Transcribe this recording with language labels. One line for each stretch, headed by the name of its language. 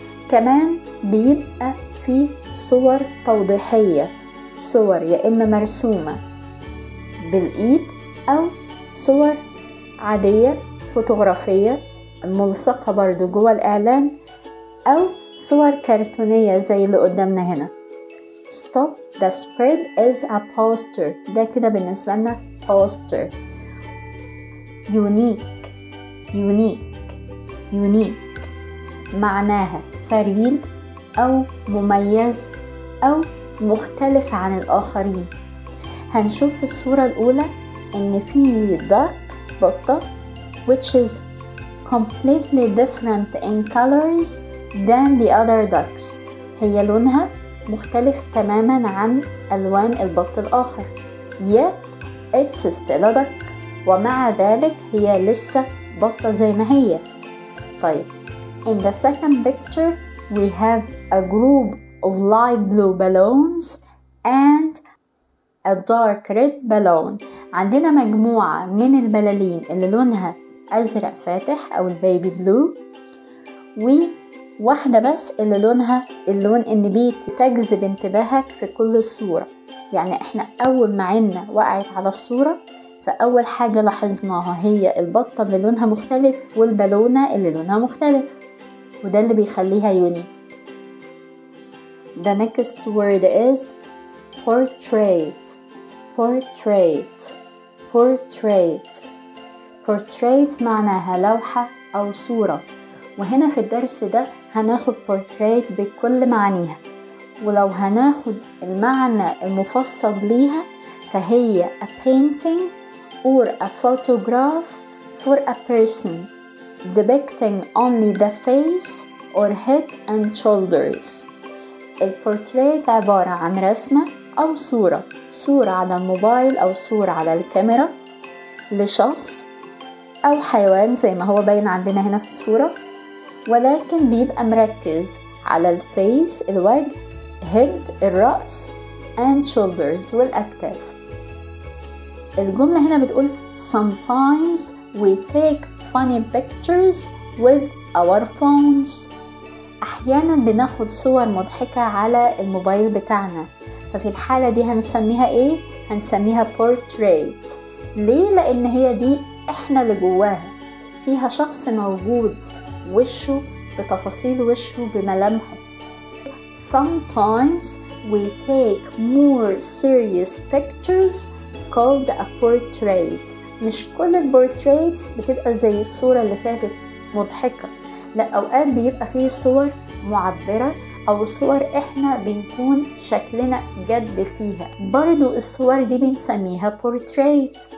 Arabic: كمان بيبقى في صور توضيحية، صور يا إما مرسومة بالإيد أو صور عادية فوتوغرافية ملصقة برضو جوه الإعلان، أو صور كرتونية زي اللي قدامنا هنا.
English: Stop the spread is a poster.
Arabic: ده كده بالنسبة لنا poster.
English: Unique. Unique. Unique.
Arabic: معناها فريد أو مميز أو مختلف عن الآخرين. هنشوف في الصورة الأولى إن في
English: duck بطة which is completely different in colors than the other ducks.
Arabic: هي لونها مختلف تماما عن ألوان البط الآخر.
English: Yet it's still a duck.
Arabic: ومع ذلك هي لسه بطة زي ما هي.
English: طيب in the second picture we have a group of light blue balloons and a dark red balloon.
Arabic: عندنا مجموعة من البلالين اللي لونها أزرق فاتح أو البيبي بلو، و واحدة بس اللي لونها اللون النبيتي تجذب انتباهك في كل الصورة. يعني احنا اول ما عيننا وقعت على الصورة فاول حاجة لاحظناها هي البطة اللي لونها مختلف والبالونة اللي لونها مختلف، وده اللي بيخليها يونيك.
English: The next word is portrait. Portrait. Portrait.
Arabic: Portrait معناها لوحة او صورة. وهنا في الدرس ده هناخد portrait بكل معانيها، ولو هناخد المعنى المفصل ليها فهي
English: a painting or a photograph for a person depicting only the face or head and shoulders.
Arabic: البورتريت عبارة عن رسمة أو صورة، صورة على الموبايل أو صورة على الكاميرا لشخص أو حيوان زي ما هو باين عندنا هنا في الصورة، ولكن بيبقى مركز على الفيس الوجه head الرأس
English: and shoulders
Arabic: والأكتاف. الجملة هنا بتقول
English: sometimes we take funny pictures with our phones.
Arabic: أحيانا بناخد صور مضحكة على الموبايل بتاعنا، ففي الحالة دي هنسميها إيه؟ هنسميها portrait. ليه؟ لأن هي دي إحنا اللي جواها، فيها شخص موجود وشه بتفاصيل وشه بملامحه.
English: Sometimes we take more serious pictures called a portrait.
Arabic: مش كل البورتريتس بتبقى زي الصورة اللي فاتت مضحكة، لا، أوقات بيبقى فيه صور معبرة أو صور إحنا بنكون شكلنا جد فيها، برضو الصور دي بنسميها portrait.